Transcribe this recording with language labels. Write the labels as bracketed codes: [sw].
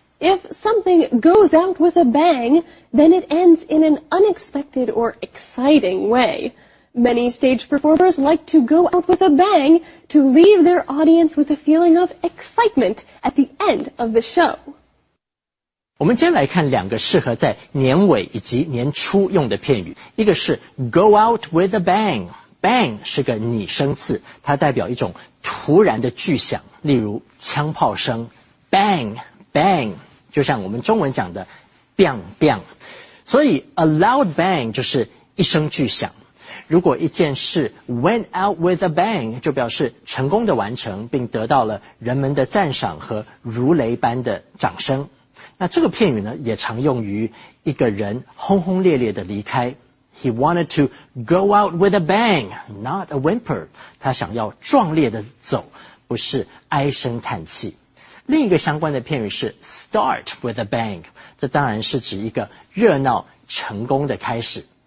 [en] If something goes out with a bang, then it ends in an unexpected or exciting way. Many stage performers like to go out with a bang to leave their audience with a feeling of excitement at the end of the show. [zh] 我们接下来看两个适合在年尾以及年初用的片语。一个是 go out with a bang。Bang 是个拟声字，它代表一种突然的巨响，例如枪炮声 ，bang bang， 就像我们中文讲的 ，biang biang。所以 a loud bang 就是一声巨响。如果一件事 went out with a bang， 就表示成功的完成，并得到了人们的赞赏和如雷般的掌声。那这个片语呢，也常用于一个人轰轰烈烈的离开。 [en] He wanted to go out with a bang, not a whimper. [zh] 他想要壮烈的走，不是唉声叹气。另一个相关的片语是 [en] start with a bang. [zh] 这当然是指一个热闹成功的开始。